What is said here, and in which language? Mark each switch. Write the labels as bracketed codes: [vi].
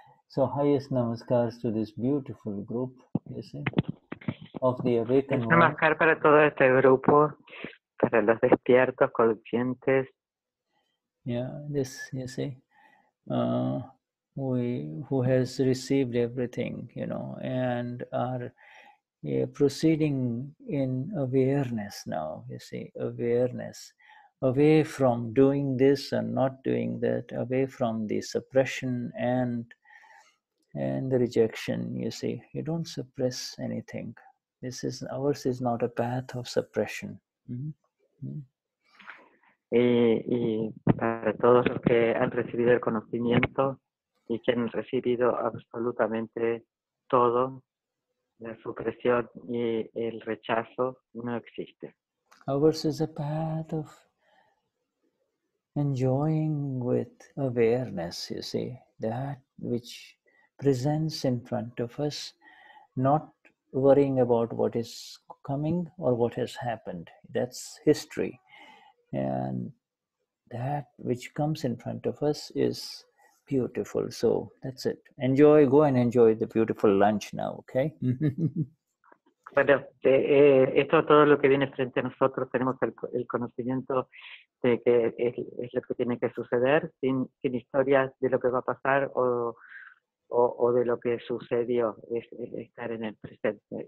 [en] So highest namaskars to this beautiful group, you see, of the awakened ones. [es] Namaskar para todo este grupo, para los despiertos, conscientes. [en] Yeah, this, you see, who has received everything, you know, and are proceeding in awareness now, you see, awareness, away from doing this and not doing that, away from the suppression and the rejection, you see. You don't suppress anything. This is, ours is not a path of suppression. Mm-hmm. [es] y para todos los que han recibido el conocimiento y que han recibido absolutamente todo, la supresión y el rechazo no existe. [en] Ours is a path of enjoying with awareness, you see, that which presents in front of us, not worrying about what is coming or what has happened. That's history. And that which comes in front of us is beautiful. So that's it. Enjoy, go and enjoy the beautiful lunch now, okay? [es] Bueno, esto es todo lo que viene frente a nosotros. Tenemos el conocimiento de que es lo que tiene que suceder, sin historias de lo que va a pasar o de lo que sucedió, es estar en el presente.